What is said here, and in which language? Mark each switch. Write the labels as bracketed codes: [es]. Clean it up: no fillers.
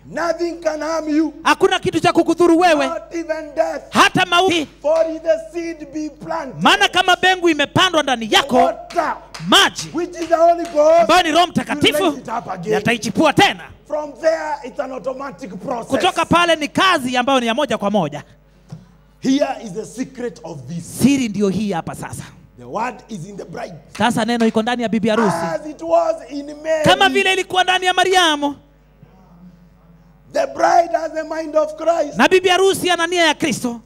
[en] Nothing can harm you. [sw] Hakuna kitu cha kukudhuru wewe. [en] Not even death. [sw] Hata mauti. [en] For the seed be planted. [sw] Maana kama mbegu imepandwa ndani yako. [en] Water. [sw] Maji. [en] Which is the Holy Ghost. [sw] Ambayo ni Roho Mtakatifu. Yataichipua tena. [en] From there it's an automatic process. [sw] Kutoka pale ni kazi ambayo ni ya moja kwa moja. [en] Here is the secret of this. [sw] Siri ndio hii hapa sasa. [en] The word is in the bride. [sw] Sasa neno iko ndani ya bibi harusi. [en] As it was in Mary. [sw] Kama vile ilikuwa ndani ya Mariamu. [en] The bride has the mind of Christ. [sw] Na bibi harusi ana nia ya Kristo.